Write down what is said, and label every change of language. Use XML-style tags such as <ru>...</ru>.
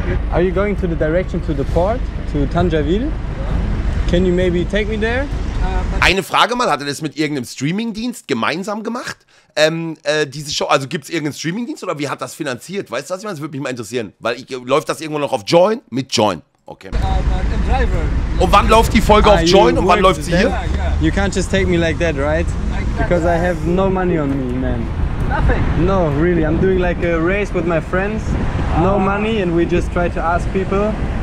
<en>Are you going to the direction to the port, to Tanjaville? Can you maybe take me there?</en> <de>Eine Frage mal, hat er das mit irgendeinem Streamingdienst gemeinsam gemacht? Diese Show, also gibt es irgendeinen Streamingdienst oder wie hat das finanziert? Weißt du was, ich meine, das würde mich mal interessieren. Weil ich, läuft das irgendwo noch auf Join? Mit Join. Okay. Und wann läuft die Folge auf Join und wann läuft sie hier?</de> <en>You can't just take me like that, right? Because I have no money on me, man. Nothing? No, really. I'm doing like a race with my friends. No money and we just try to ask people.</en>